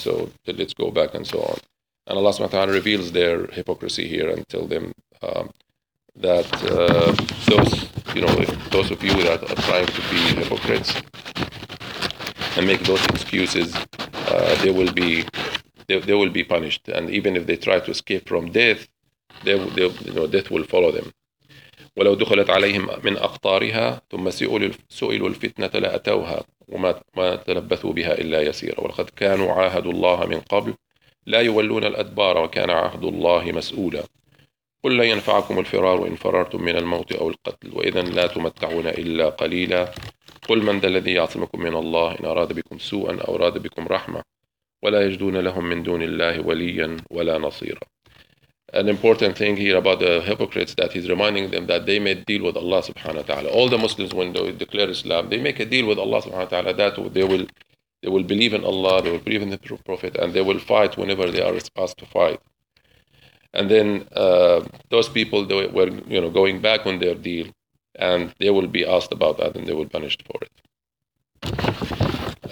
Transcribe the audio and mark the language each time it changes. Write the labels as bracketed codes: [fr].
[en] So let's go back and so on. And Allah subhanahu wa ta'ala reveals their hypocrisy here and tell them those of you that are trying to be hypocrites and make those excuses, they will be punished. And even if they try to escape from death, death will follow them. [ar] ولو دخلت عليهم من أقطارها ثم سئلوا الفتنة لأتوها وما تلبثوا بها إلا يسيرا ولقد كانوا عاهدوا الله من قبل لا يولون الأدبار وكان عهد الله مسؤولا قل لن ينفعكم الفرار إن فررتم من الموت أو القتل وإذا لا تمتعون إلا قليلا قل من ذا الذي يعصمكم من الله إن أراد بكم سوءا أو أراد بكم رحمة ولا يجدون لهم من دون الله وليا ولا نصيرا. [en] An important thing here about the hypocrites, that he's reminding them that they made deal with Allah subhanahu wa ta'ala. All the Muslims, when they declare Islam, they make a deal with Allah subhanahu wa ta'ala that they will believe in Allah, they will believe in the Prophet, and they will fight whenever they are asked to fight. And then those people, they were going back on their deal, and they will be asked about that and they will be punished for it.